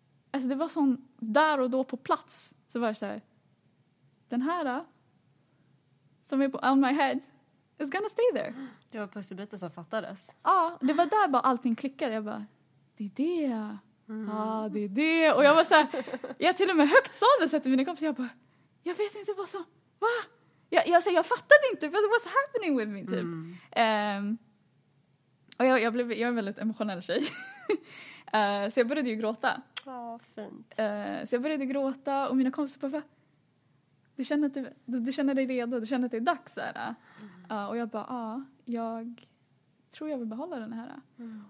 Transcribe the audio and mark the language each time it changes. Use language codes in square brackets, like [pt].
[sv] Alltså det var sån. Där och då på plats. Så var jag så här. Den här. Som är på [en] on my head. It's gonna stay there. [sv] Det var pusselbiten som fattades. Ja, det var där bara allting klickade. Jag bara, det är det. Ja, mm. Ah, det är det. Och jag var så här, jag till och med högt sa det så till mina kompisar. Jag bara, jag vet inte vad som, va? Jag fattade inte, [en] but what's happening with me, typ. Mm. [sv] Och jag är en väldigt emotionell tjej. Så jag började ju gråta. Ja, fint. Så jag började gråta och mina kompisar bara, du känner dig redo, du känner att det är dags, så här. Och jag bara, jag tror jag vill behålla den här. Mm.